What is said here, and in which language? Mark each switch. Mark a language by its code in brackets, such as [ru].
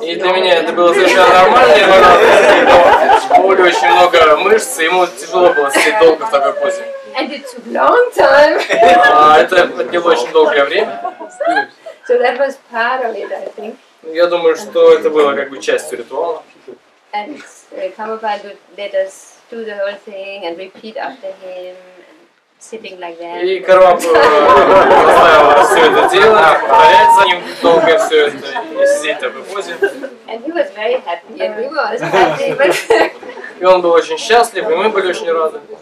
[ru] И для меня это было совершенно нормально, но у него очень много мышц, ему тяжело было сидеть долго в такой позе. [en] And it took long time. [ru] Это отняло очень долгое время. [en] So that was part of it, I think. [ru] Я думаю, что это было как бы частью ритуала. [en] And Kamapada let us do the whole thing and repeat after him. [ru] И Карвап заставил все это дело, повторять за ним долго все это, и сидеть там в позе. И он был очень счастлив, и мы были очень рады.